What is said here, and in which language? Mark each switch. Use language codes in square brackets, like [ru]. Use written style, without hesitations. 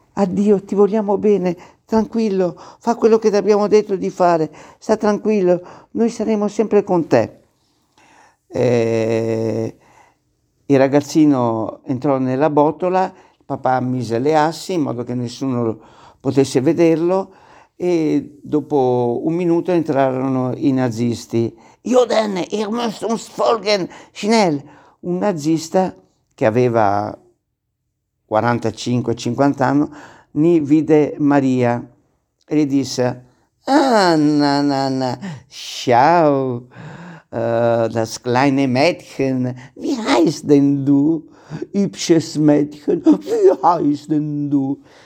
[it] Addio, ti vogliamo bene. Tranquillo, fa quello che ti abbiamo detto di fare, sta tranquillo, noi saremo sempre con te. Il ragazzino entrò nella botola, il papà mise le assi in modo che nessuno potesse vederlo e dopo 1 minuto entrarono i nazisti. [de] Juden, ihr müsst uns folgen, schnell! [it] Un nazista che aveva 45-50 anni. Ni vide Maria e le disse: Ah, na, ciao, [de] das kleine Mädchen, wie heißt denn du, hübsches Mädchen, wie heißt denn du?